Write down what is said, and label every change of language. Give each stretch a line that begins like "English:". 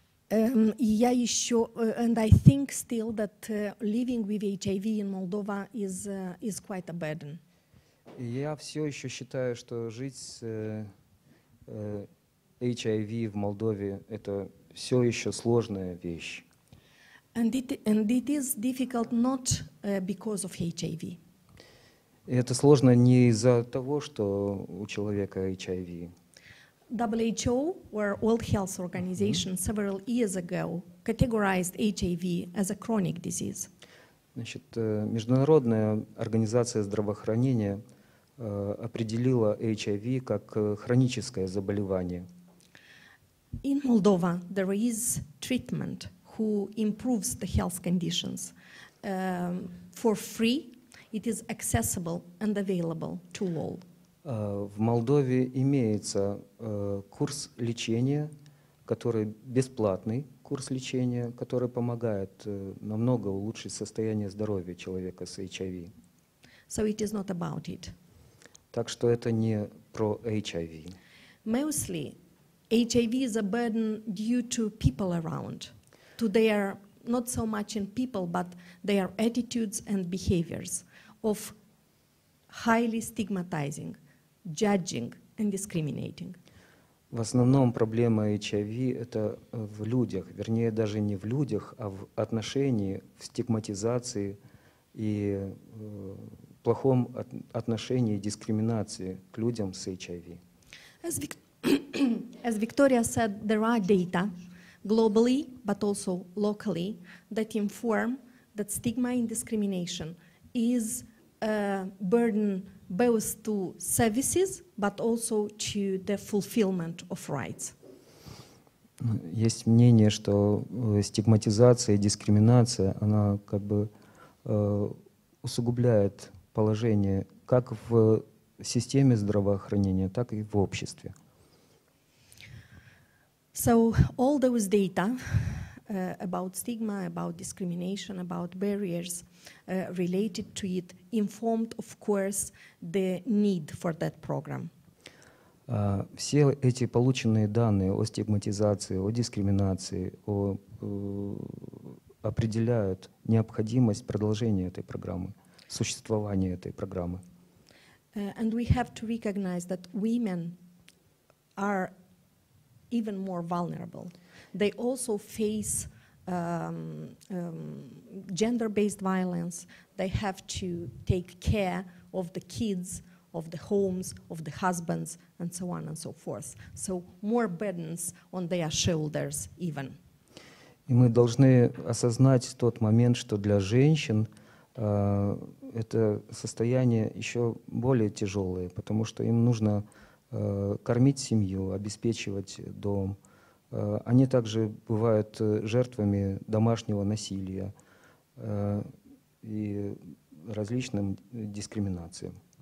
English: And I think still that living with HIV in Moldova is quite a burden.
Russian: Я все еще считаю, что жить с HIV в Молдове это все еще сложная вещь.
English: And it is difficult not because of HIV.
Russian: Это сложно не из-за того, что у человека HIV.
English: WHO, or World Health Organization, several years ago categorized HIV as a chronic disease.
Russian: Значит, международная организация здравоохранения определила HIV как хроническое заболевание.
English: In Moldova, there is treatment who improves the health conditions for free. It is accessible and available to all.
Russian: В Молдове имеется курс лечения, который бесплатный курс лечения, который помогает намного улучшить состояние здоровья человека с HIV.
English: So it is not about it.
Russian: Так что это не про HIV.
English: Mostly, HIV is a burden due to people around, to their not so much in people, but their attitudes and behaviors of highly stigmatizing. Judging and discriminating.
Russian: В основном проблема HIV это в людях, вернее даже не в людях, а в отношении, в стигматизации и плохом отношении, дискриминации к людям с HIV.
English: As Victoria said, there are data globally, but also locally, that inform that stigma and discrimination is a burden both to services, but also to the fulfillment of rights.
Russian: Есть мнение, что стигматизация и дискриминация, она как бы усугубляет положение как в системе здравоохранения, так и в обществе.
English: So all those data about stigma, about discrimination, about barriers related to it, informed, of course, the need for that program.
Russian: Все эти полученные данные о стигматизации, о дискриминации, определяют необходимость продолжения этой программы существования этой программы.
English: And we have to recognize that women are even more vulnerable. They also face gender-based violence. They have to take care of the kids, of the homes, of the husbands, and so on and so forth. So more burdens on their shoulders even.
Russian: И мы должны осознать тот момент, что для женщин это состояние еще более тяжелое, потому что им нужно кормить семью, обеспечивать дом. Они также бывают жертвами домашнего насилия и различным дискриминациям.